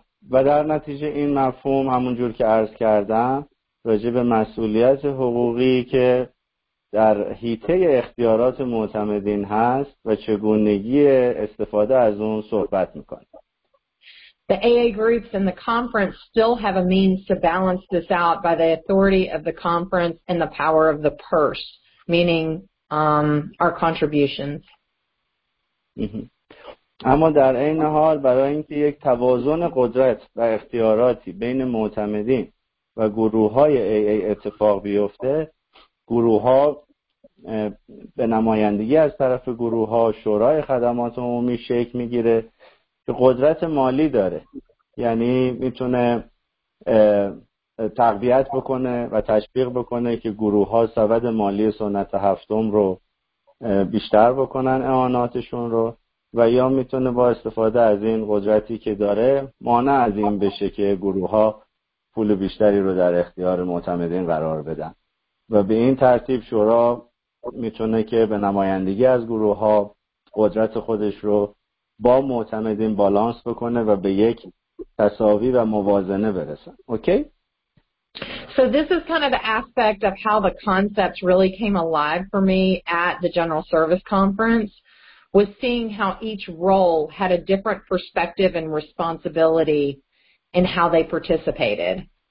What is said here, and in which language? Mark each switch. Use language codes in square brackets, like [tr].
[fa] و در نتیجه این مفهوم همون جور که عرض کردم راجع به مسئولیت حقوقی که در حیطه اختیارات معتمدین هست و چگونگی استفاده از اون صحبت میکنه. [en] The AA groups and the conference still have a means to balance this out by the authority of the conference and the power of the purse, meaning our contributions. [fa] اما در این حال برای اینکه یک توازن قدرت و اختیاراتی بین معتمدین و گروه های AA اتفاق بیفته، گروه ها به نمایندگی از طرف گروه ها شورای خدمات عمومی شکل میگیره که قدرت مالی داره، یعنی میتونه تقویت بکنه و تشویق بکنه که گروه ها سبد مالی سنت هفتم رو بیشتر بکنن اعاناتشون رو، و یا میتونه با استفاده از این قدرتی که داره مانع از این بشه که گروه ها پول بیشتری رو در اختیار معتمدین قرار بدن، و به این ترتیب شورا میتونه که به نمایندگی از گروه ها قدرت خودش رو با معتمدین بالانس بکنه و به یک تساوی و موازنه برسن. اوکی؟ [en] So this is kind of the aspect of how the concept really came alive for me at the General Service Conference, was seeing how each role had a different perspective and responsibility in how they participated.